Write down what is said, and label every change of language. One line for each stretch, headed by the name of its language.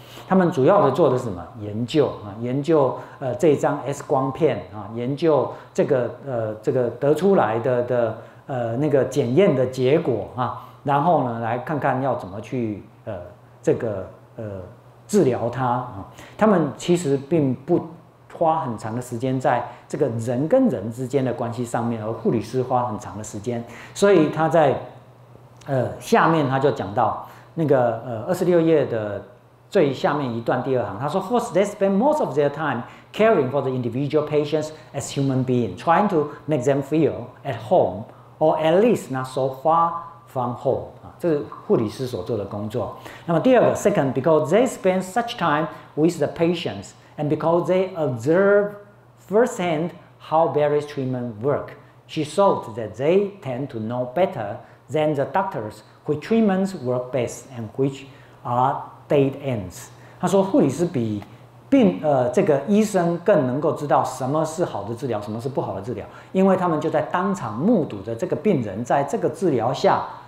Chinese: 他们主要的做的是什么？研究啊，研究这张 X 光片啊，研究这个这个得出来的那个检验的结果啊。然后呢，来看看要怎么去这个治疗他啊。他们其实并不花很长的时间在这个人跟人之间的关系上面，而护理师花很长的时间。所以他在下面他就讲到那个26页的最下面一段第二行，他说
English: ：“First, they spend most of their time caring for the individual patients as human beings, trying to make them feel at home, or at least not so far.” from home
Chinese: 啊，这是护理师所做的工作。那么第二个
English: ，second， because they spend such time with the patients， and because they observe firsthand how various treatment work， she thought that they tend to know better than the doctors which treatments work best and which are dead ends。
Chinese: 他说，护理师比这个医生更能够知道什么是好的治疗，什么是不好的治疗，因为他们就在当场目睹着这个病人在这个治疗下。